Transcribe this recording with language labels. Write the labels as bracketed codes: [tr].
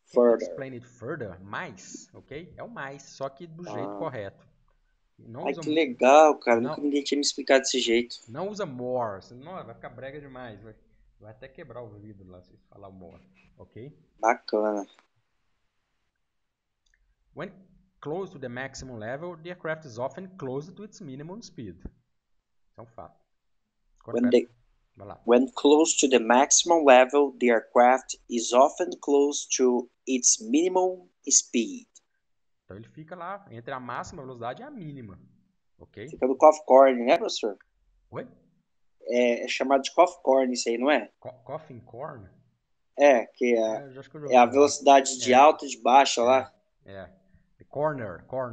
[en] Can you explain it further, mais, ok? [pt] É o mais, só que do jeito correto. Não. Ai, que legal, cara. Não. Nunca ninguém tinha me explicado desse jeito. Não usa more. Senão vai ficar brega demais. Vai até quebrar o vidro lá se falar more. Ok? Bacana. [en] When close to the maximum level, the aircraft is often close to its minimum speed. [pt] É um fato. [en] When close to the maximum level, the aircraft is often close to its minimum speed. [pt] Então ele fica lá entre a máxima velocidade e a mínima. Ok? Fica no cough corn, né, professor? Oi? É chamado de cough corn isso aí, não é? Coughing corn? É, que é a velocidade de alta e de baixa lá. É. Corner.